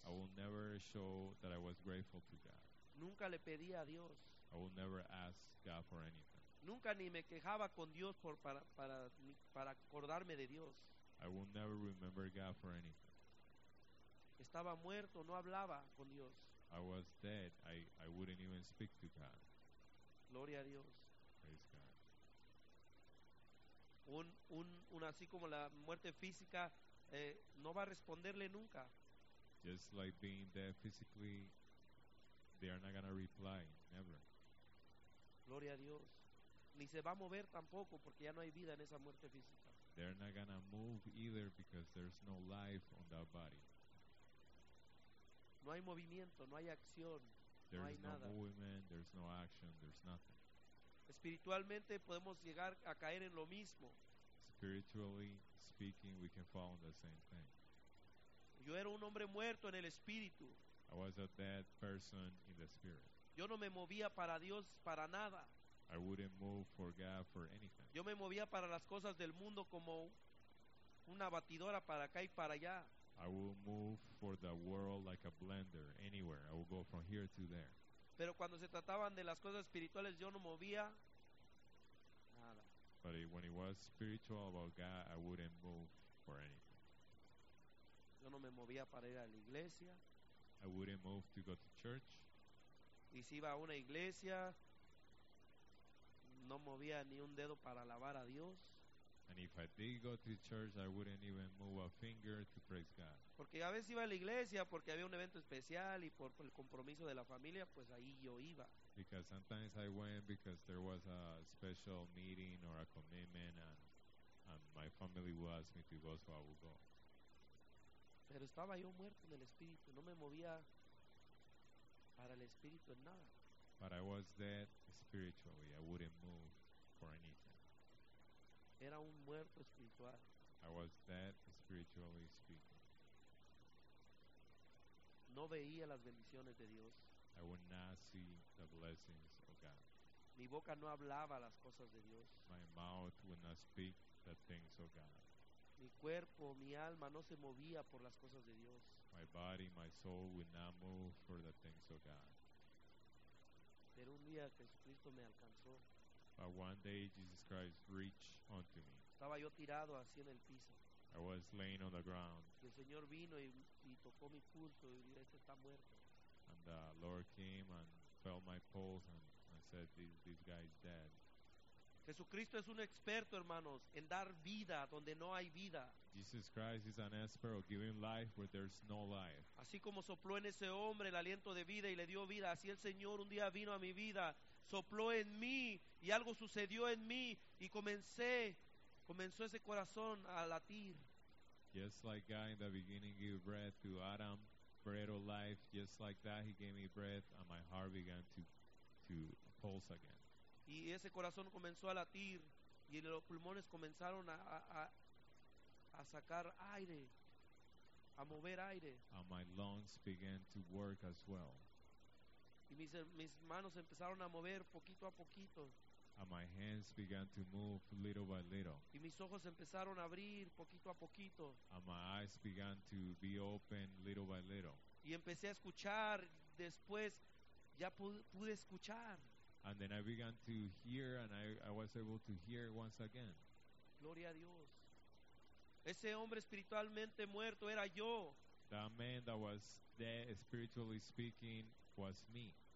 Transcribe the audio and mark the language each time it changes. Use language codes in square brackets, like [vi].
[en] I will never show that I was grateful to God. [es] Nunca le pedía a Dios. [en] I will never ask God for anything. [es] Nunca ni me quejaba con Dios para acordarme de Dios. [en] I will never remember God for anything. [es] Estaba muerto, no hablaba con Dios. [en] I was dead. I wouldn't even speak to God. [es] Gloria a Dios. [en] Praise God. [es] Un así como la muerte física, no va a responderle nunca. [en] Just like being dead physically, they are not going to reply, never. [es] Gloria a Dios. Ni se va a mover tampoco porque ya no hay vida en esa muerte física. [en] They're not gonna move either because there's no life on that body. [es] No hay movimiento, no hay acción, [en] there's [es] no hay no nada. [en] Movement, there's no action, there's nothing. [es] Espiritualmente podemos llegar a caer en lo mismo. [en] Spiritually speaking, we can fall in the same thing. [es] Yo era un hombre muerto en el espíritu. [en] I was a dead person in the spirit. [es] Yo no me movía para Dios para nada. [en] I wouldn't move for God for anything. [es] Yo me movía para las cosas del mundo como una batidora para acá y para allá. [en] I would move for the world like a blender anywhere. I would go from here to there. [es] Pero cuando se trataban de las cosas espirituales, yo no movía nada. [en] But when it was spiritual about God, I wouldn't move for anything. [es] Yo no me movía para ir a la iglesia. [en] I wouldn't move to go to church. [es] Y si iba a una iglesia, no movía ni un dedo para alabar a Dios. [en] And if I did go to church, I wouldn't even move a finger to praise God. [es] Porque a veces iba a la iglesia porque había un evento especial y por el compromiso de la familia, pues ahí yo iba. [en] Because sometimes I went because there was a special meeting or a commitment and my family would ask me to go, so I would go. [es] Pero estaba yo muerto en el espíritu, no me movía para el espíritu en nada. [en] But I was dead spiritually, I wouldn't move for anything. [es] Era un muerto espiritual. [en] I was dead spiritually speaking. [es] No veía las bendiciones de Dios. [en] I would not see the blessings of God. [es] Mi boca no hablaba las cosas de Dios. [en] My mouth would not speak the things of God. [es] Mi cuerpo, mi alma no se movía por las cosas de Dios. [en] My body, my soul would not move for the things of God. [es] Pero un día Jesucristo me alcanzó. [en] But one day Jesus Christ reached unto me. [es] Estaba yo tirado así en el piso. [en] I was laying on the ground. [es] Y el Señor vino y tocó mi pulso y dijo, este está muerto. [en] And the Lord came and felt my pulse and said, this guy is dead. [es] Jesucristo es un experto, hermanos, en dar vida donde no hay vida. [en] Jesus Christ is an expert of giving life where there's no life. [es] Así como sopló en ese hombre el aliento de vida y le dio vida, así el Señor un día vino a mi vida, sopló en mí y algo sucedió en mí y comenzó ese corazón a latir. [en] Just like God in the beginning gave breath to Adam, bread of life, just like that he gave me breath and my heart began to pulse again. [es] Y ese corazón comenzó a latir y los pulmones comenzaron a sacar aire, a mover aire. [en] And my lungs began to work as well. [es] Y mis manos empezaron a mover poquito a poquito. [en] And my hands began to move little by little. [es] Y mis ojos empezaron a abrir poquito a poquito. [en] And my eyes began to be open little by little. [es] Y empecé a escuchar, después ya pude escuchar. [en] And then I began to hear, and I was able to hear once again. [es] Gloria a Dios. Ese hombre espiritualmente muerto era yo. [en] That man that was dead, spiritually speaking, was me.